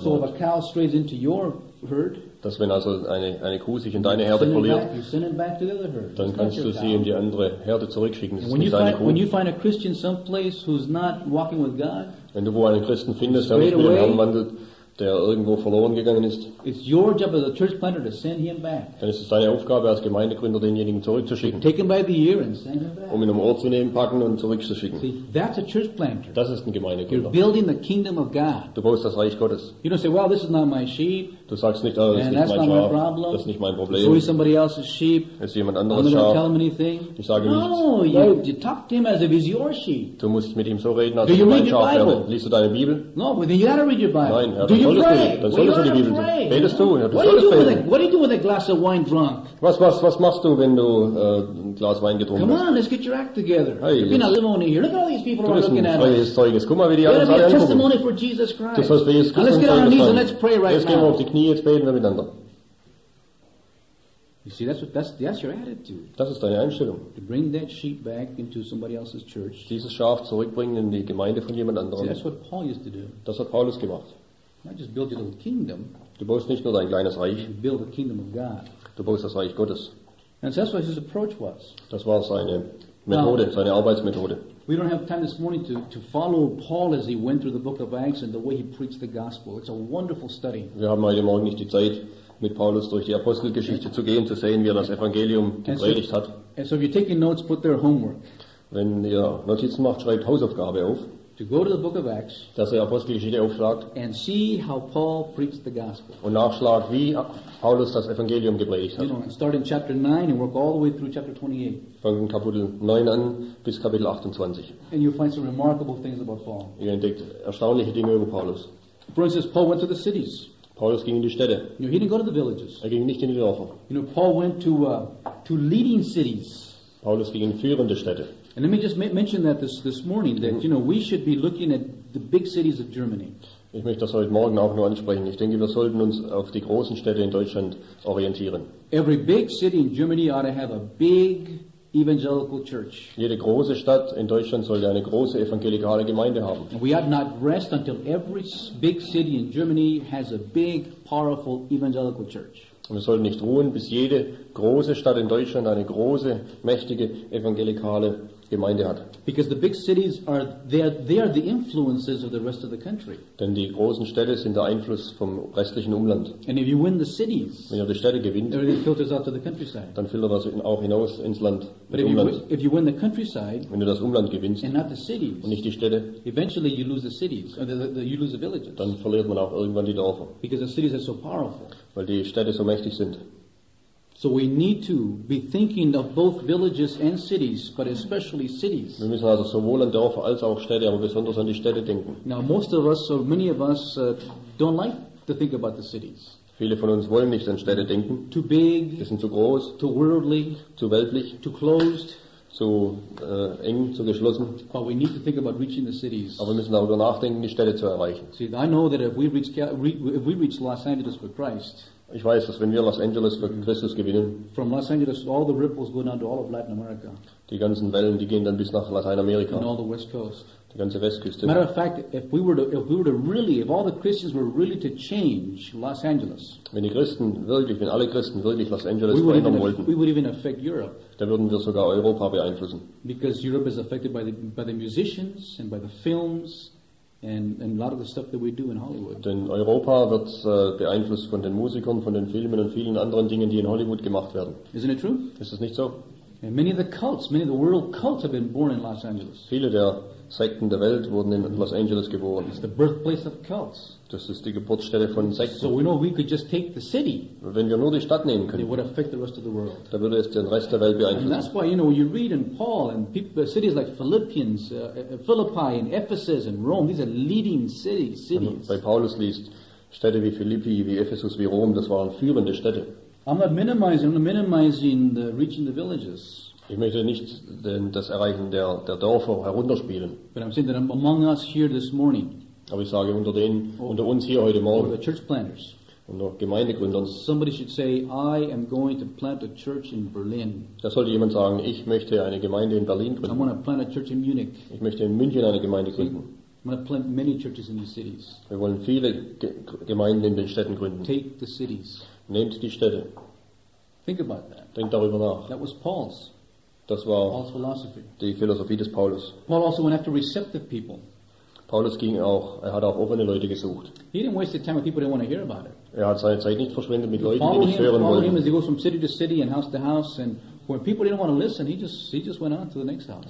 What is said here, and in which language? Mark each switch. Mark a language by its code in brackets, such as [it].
[en] So if a cow strays into your herd, [de] dass wenn also eine Kuh sich in deine Herde verliert, dann kannst du sie in die andere Herde zurückschicken. [en] When you find a Christian someplace who's not walking with God, [de] wenn du wo einen Christen findest, der nicht mit dem Herrn wandelt, der irgendwo verloren gegangen ist, [en] it's your job as a church planter to send him back. [de] Dann ist es deine Aufgabe als Gemeindegründer, denjenigen zurückzuschicken. [en] Take him by the ear and send him back. [de] Um ihn um Ohr zu nehmen, packen und zurückzuschicken. [en] See, that's a church planter. [de] Das ist ein Gemeindegründer. [en] You're building the kingdom of God. [de] Du baust das Reich Gottes. [en] You don't say, well, this is not my sheep. [de] Du sagst nicht, oh, das ist nicht mein Schaf. Das ist nicht mein Problem. [en] So is somebody else's sheep. [de] Ist jemand anderes Schaf. [en] Tell him anything. [de] Ich sage [en] no, [de] nichts. [en] You talk to him as if he's your sheep. [de] Du musst mit ihm so reden, als wäre mein Schaf. Liest du deine Bibel? [en] No, well, then you gotta read your Bible. [de] Nein, [en] Herr, do you [de] solltest [en] pray? [de] Du, dann solltest [en] well, [de] du die Bibel lesen. Betest du? Ja, du [en] what do you do with a glass of wine drunk? [de] Was machst du, wenn du ein Glas Wein getrunken hast? [en] Come on, let's get your act together. Hey, you're being a little only here. Look at all these people who are looking at us. [de] Du bist ein freies Zeuges. Guck mal, wie die alles angucken. [en] You're a testimony for Jesus Christ. [de] Das heißt, Jesus Christ. [en] Let's get on our knees and let's pray right now. [de] Jetzt gehen wir auf die Knie, jetzt beten wir miteinander. [en] You see, that's your attitude. [de] Das ist deine Einstellung. [en] To bring that sheep back into somebody else's church. [de] Dieses Schaf zurückbringen in die Gemeinde von jemand anderem. [en] See, that's what Paul used to do. [de] Das hat Paulus gemacht. [en] Not just build your little kingdom. [de] Du baust nicht nur dein kleines Reich. [en] You build the kingdom of God. [de] Du baust das Reich Gottes. [en] And so that's what his approach was. [de] Das war seine Methode, seine Arbeitsmethode. [en] We don't have time this morning to follow Paul as he went through the book of Acts and the way he preached the gospel. It's a wonderful study. [de] Wir haben heute Morgen nicht die Zeit, mit Paulus durch die Apostelgeschichte zu gehen, zu sehen, wie er das Evangelium gepredigt hat. [en] And so if you're taking notes, put there homework. [de] Wenn ihr Notizen macht, schreibt Hausaufgabe auf. [en] to go to the book of Acts, [de] dass er Apostelgeschichte aufschlagt, [en] and see how Paul preached the gospel. [de] Und nachschlagt, wie Paulus das Evangelium gepredigt hat. [en] You know, start in chapter 9 and work all the way through chapter 28. [de] Von Kapitel 9 an bis Kapitel 28. [en] And you find some remarkable things about Paul. [de] Ihr entdeckt erstaunliche Dinge über Paulus. [en] For instance, Paul went to the cities. [de] Paulus ging in die Städte. [en] You know, he didn't go to the villages. [de] Er ging nicht in die Dörfer. [en] You know, Paul went to leading cities. [de] Paulus ging in führende Städte. [en] And let me just mention that this morning, that, you know, we should be looking at the big cities of Germany. [de] Ich möchte das heute Morgen auch nur ansprechen. Ich denke, wir sollten uns auf die großen Städte in Deutschland orientieren. [en] Every big city in Germany ought to have a big evangelical church. [de] Jede große Stadt in Deutschland sollte eine große evangelikale Gemeinde haben. [en] We ought not rest until every big city in Germany has a big, powerful evangelical church. [de] Und wir sollten nicht ruhen, bis jede große Stadt in Deutschland eine große, mächtige, evangelikale Gemeinde hat. [en] Because the big cities are they are the influences of the rest of the country. [de] Denn die großen Städte sind der Einfluss vom restlichen Umland. [en] And if you win the cities, [de] wenn ihr die Städte gewinnt, [en] it really filters out to the countryside. [de] Dann filtert das auch hinaus ins Land. [en] But if you win the countryside, [de] wenn du das Umland gewinnst, [en] and not the cities, [de] und nicht die Städte, [en] eventually you lose the cities, or you lose the villages. [de] Dann verliert man auch irgendwann die Dörfer. [en] Because the cities are so powerful. [de] Weil die Städte so mächtig sind. [en] So we need to be thinking of both villages and cities, but especially cities. [de] Wir müssen also sowohl an Dörfer als auch Städte, aber besonders an die Städte denken. [en] Now most of us, or many of us, don't like to think about the cities. [de] Viele von uns wollen nicht an Städte denken. [en] Too big. [de] Sie sind zu groß. [en] Too worldly. [de] Zu weltlich. [en] Too closed. [de] Zu eng, zu geschlossen. [en] But we need to think about reaching the cities. [de] Aber wir müssen darüber nachdenken, die Städte zu erreichen. [en] See, I know that if we reach Los Angeles for Christ. [de] Ich weiß, dass wenn wir Los Angeles für Christus gewinnen, [en] from Los Angeles, all the ripples go down to all of Latin America. [de] Die ganzen Wellen, die gehen dann bis nach Lateinamerika. [en] And all the West Coast. [de] Die ganze Westküste. [en] Matter of fact, if all the Christians were really to change Los Angeles, [de] wenn die Christen wirklich, wenn alle Christen wirklich Los Angeles verändern wollten, [en] we would even affect Europe. [de] Dann würden wir sogar Europa beeinflussen. [en] Because Europe is affected by the musicians and by the films. And a lot of the stuff that we do in Hollywood. [de] Denn Europa wird beeinflusst von den Musikern, von den Filmen und vielen anderen Dingen, die in Hollywood gemacht werden. [en] Isn't it true? [de] Ist das nicht so? [en] And many of the cults, many of the world cults have been born in Los Angeles. [de] Viele der Sekten der Welt wurden in Los Angeles geboren. [en] It's the birthplace of cults. [de] Das ist die Geburtsstätte von Sekten. [en] So we know we could just take the city. [de] Wenn wir nur die Stadt nehmen könnten, [en] it would affect the rest of the world. [de] Da würde es den Rest der Welt beeinflussen. [en] And that's why, you know, you read in Paul and cities like Philippians, Philippi and Ephesus and Rome. These are leading cities. [de] Wenn bei Paulus liest, Städte wie Philippi, wie Ephesus, wie Rom, das waren führende Städte. [en] I'm not minimizing the reaching the villages. [de] Ich möchte nicht das Erreichen der Dörfer herunterspielen. [en] But I'm saying that I'm among us here this morning. [de] Aber ich sage unter uns hier heute Morgen. [en] The church planters. [de] Unter Gemeindegründern. [en] Somebody should say, I am going to plant a church in Berlin. [de] Da sollte jemand sagen, ich möchte eine Gemeinde in Berlin gründen. [en] I'm going to plant a church in Munich. [de] Ich möchte in München eine Gemeinde gründen. [en] I'm going to plant many churches in these cities. [de] Wir wollen viele Gemeinden in den Städten gründen. [en] Take the cities. [de] Nehmt die Städte. [en] Think about that. [de] Denkt darüber nach. [en] That was Paul's. [de] Das war [en] Paul's philosophy. [de] Die Philosophie des Paulus. [en] Paul also went after receptive people. [de] Paulus ging auch, er hat auch offene Leute gesucht. [en] He didn't waste time with people didn't want to hear about it. [de] Er hat seine Zeit nicht verschwendet mit Leuten, die nicht hören wollten. [en] Him as he goes from city to city and house to house, and when people didn't want to listen, he just went on to the next house.